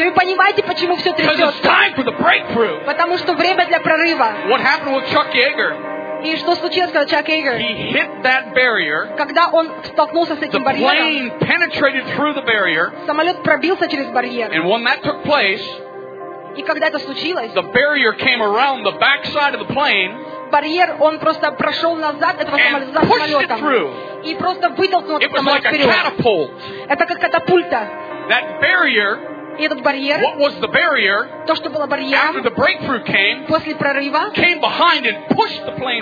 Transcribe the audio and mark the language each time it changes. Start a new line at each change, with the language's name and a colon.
Russian: И вы понимаете, почему все трясется?
English: Because it's time for the breakthrough.
Russian: Потому что время для прорыва.
English: What happened with Chuck Yeager?
Russian: И что случилось, когда Чак Йегер?
English: He hit that barrier.
Russian: Когда он столкнулся с этим
English: the
Russian: барьером.
English: The plane penetrated through the barrier.
Russian: Самолет пробился через барьер.
English: And when that took place.
Russian: И когда это случилось?
English: The barrier came around the backside of the plane.
Russian: Барьер, он просто прошел назад этого самолета и просто вытолкнул этот самолет
English: like
Russian: вперед.
English: Catapult.
Russian: Это как катапульта.
English: That barrier,
Russian: и этот барьер,
English: what was the barrier,
Russian: то, что было барьером,
English: after the breakthrough came,
Russian: после прорыва,
English: came behind and pushed the plane